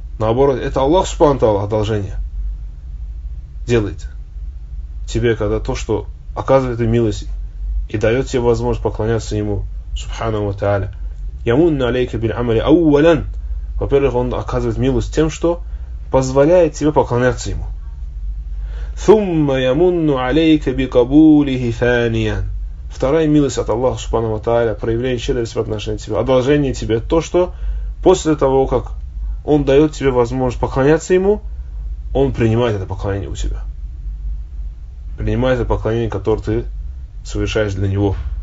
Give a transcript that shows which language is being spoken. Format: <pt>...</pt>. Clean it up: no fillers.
<ru>Наоборот, это Аллах Субхану Ва Тааля одолжение делает тебе, когда то, что оказывает ему милость и дает тебе возможность поклоняться ему Субхану Ва Тааля.</ru> <ar>Ямунна алейка биль амали ауалян.</ar> <ru>Во-первых, он оказывает милость тем, что позволяет тебе поклоняться ему.</ru> <ar>ثم يمن عليك بقبوله ثانيا.</ar> <ru>Вторая милость от Аллаха Субхана ва Тааля, проявление щедрости по отношению к тебе, одолжение тебе, то, что после того, как Он дает тебе возможность поклоняться Ему, Он принимает это поклонение у тебя. Принимает это поклонение, которое ты совершаешь для Него.</ru>